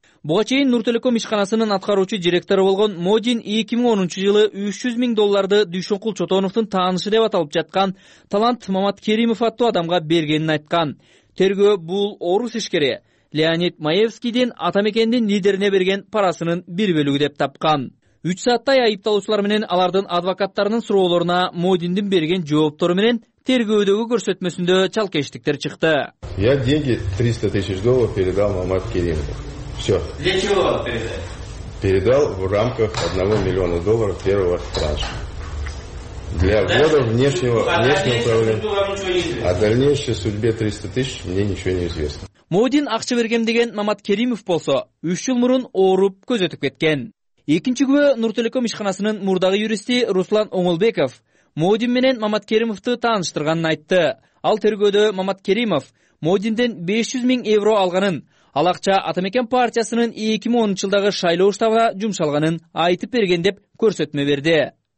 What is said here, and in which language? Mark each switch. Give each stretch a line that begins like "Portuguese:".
Kyrgyz: Буга чейин Нуртелеком ишканасынын аткаруучу директору болгон Модин 2010 жылы 300 миң долларды Дүйшөнкул Чотоновдун таанышы деп аталып жаткан талант Мамат Керимов аттуу адамга бергенин айткан. Тергөө бул орус ишкери Леонид Маевскийдин Атамекендин лидерине берген парасынын бир бөлүгү деп тапкан. 3 сааттай айыпталуучулар менен алардын адвокаттарынын суроолоруна Модиндин берген жооптору менен тергөөдөгү көрсөтмөсүндө чалкештиктер чыкты.
Russian: Я деньги 300 тысяч долларов передал Мамат Керимову. Все. Для чего передать? Передал в рамках 1 миллиона долларов первого транша. Для ввода внешнего управления. О дальнейшей судьбе 300 тысяч мне ничего не известно.
Kyrgyz: Модин акча бергем деген Мамат Керимов болсо, 3 жыл мурун ооруп көз өтүп кеткен. Экинчи күбө Нуртелеком ишканасынын мурдагы юристи Руслан Оңолбеков Модин менен Мамат Керимовду тааныштырганын айтты. Ал тергөөдө Мамат Керимов Модинден 500 миң евро алганын, ал акча Атамекен партиясынын 2010 жылдагы шайлоо штабына жумшалганын айтып берген деп көрсөтмө берди.